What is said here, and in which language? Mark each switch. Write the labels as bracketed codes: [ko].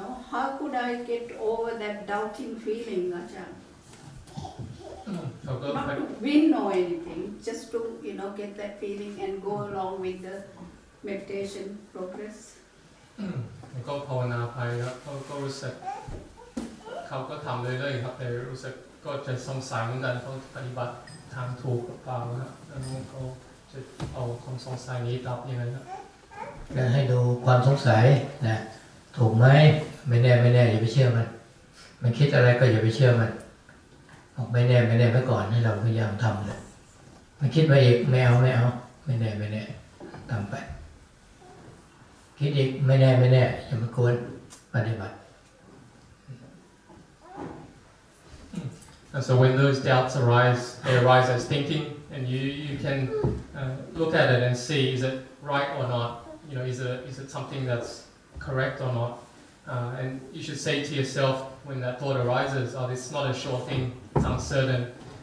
[en] How could I get over that doubting feeling, Ajahn? Not to win or anything, just to get that feeling and go along with the meditation progress. [th] ก็ภาวนาไปครับก็รู้สึกเขาก็ทำเรื่อยๆครับแต่รู้สึกก็จะสงสัยเหมือนกันเขาปฏิบัติทางถูกหรือเปล่านะแล้วเขาจะเอาความสงสัยนี้ตอบยังไงนะ ให้ดูความสงสัยนะถูกไหมไม่แน่อย่าไปเชื่อมันมันคิดอะไรก็อย่าไปเชื่อมันบอกไม่แน่ไปก่อนให้เราพยายามทำเลยมันคิดไปอีกไม่เอาไม่แน่ทำไปคิดอีกไม่แน่อย่ามากวนปฏิบัติ [en] So when those doubts arise, they arise as thinking, and you can look at it and see is it right or not. Is it something that's correct or not? And you should say to yourself when that thought arises, oh, this is not a sure thing, it's uncertain.